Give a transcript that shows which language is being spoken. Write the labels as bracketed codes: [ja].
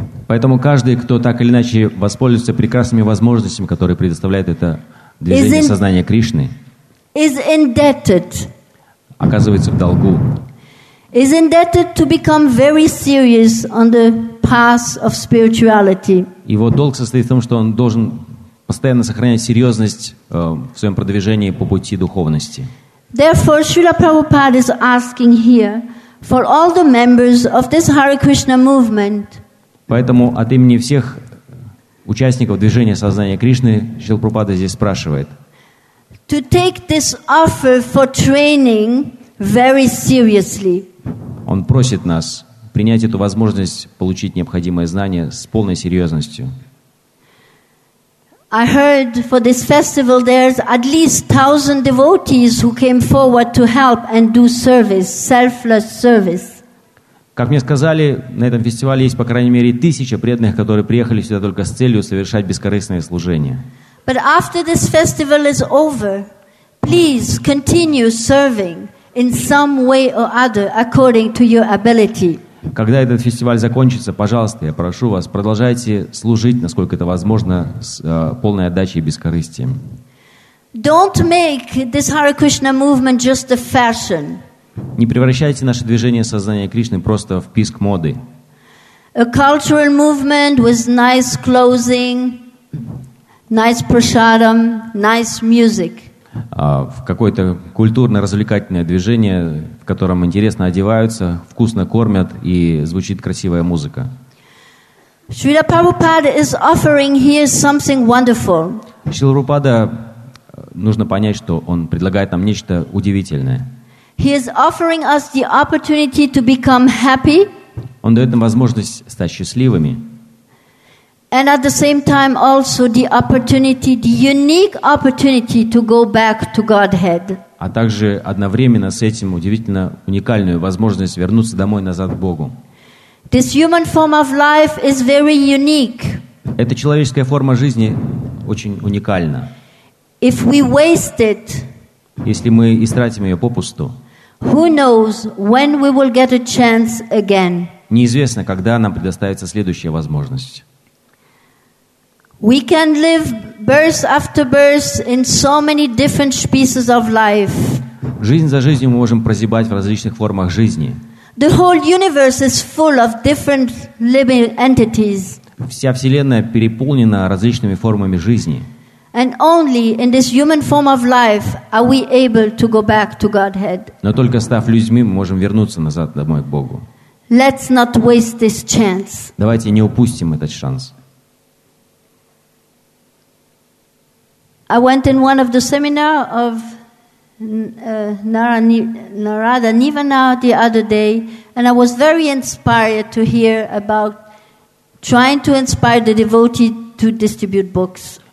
[ru] поэтому каждый, кто так или иначе воспользуется прекрасными возможностями, которые предоставляет это движение сознания Кришны, [en] is indebted, [ru] оказывается в долгу, [en] is indebted to become very serious on the path of spirituality. [ru] Его долг состоит в том, что он должен постоянно сохранять серьезность в своем продвижении по пути духовности. [en] Therefore, Srila Prabhupada is asking here for all the members of this Hare Krishna movement. [ru] Поэтому от имени всех участников движения сознания Кришны Шрила Прабхупада здесь спрашивает. [en] To take this offer for training very seriously. [ru] Он просит нас принять эту возможность получить необходимое знание с полной серьезностью. [en] I heard for this festival there's at least 1,000 devotees who came forward to help and do service, selfless service. [ru] Как мне сказали, на этом фестивале есть по крайней мере 1,000 преданных, которые приехали сюда только с целью совершать бескорыстное служение. [en] But after this festival is over, please continue serving in some way or other according to your ability. [ru] Когда этот фестиваль закончится, пожалуйста, я прошу вас, продолжайте служить, насколько это возможно, с полной отдачей и бескорыстием. [en] Don't make this Hare Krishna movement just a fashion. [ru] Не превращайте наше движение сознания Кришны просто в писк моды. [en] A cultural movement with nice clothing, nice prasadam, nice music. [ru] В какое-то культурно-развлекательное движение, в котором интересно одеваются, вкусно кормят и звучит красивая музыка. [en] Srila Prabhupada is offering here something wonderful. [ru] Srila Prabhupada, нужно понять, что он предлагает нам нечто удивительное. [en] He is offering us the opportunity to become happy. [ru] Он дает нам возможность стать счастливыми. [en] And at the same time also the opportunity, the unique opportunity to go back to Godhead. [ru] А также одновременно с этим удивительно уникальную возможность вернуться домой назад к Богу. [en] This human form of life is very unique. [ru] Эта человеческая форма жизни очень уникальна. [en] If we waste it, [ru] если мы истратим ее попусту, [en] who knows when we will get a chance again? [ru] Неизвестно, когда нам предоставится следующая возможность. [en] We can live birth after birth in so many different species of life. [ru] Жизнь за жизнью мы можем прозябать в различных формах жизни. [en] The whole universe is full of different living entities. [ru] Вся вселенная переполнена различными формами жизни. [en] And only in this human form of life are we able to go back to Godhead. [ru] Но только став людьми, мы можем вернуться назад домой к Богу. [en] Let's not waste this chance. [ru] Давайте не упустим этот шанс. [en] I went in one of the seminar of Narada Nivana the other day, and I was very inspired to hear about trying to inspire the devotee to distribute books.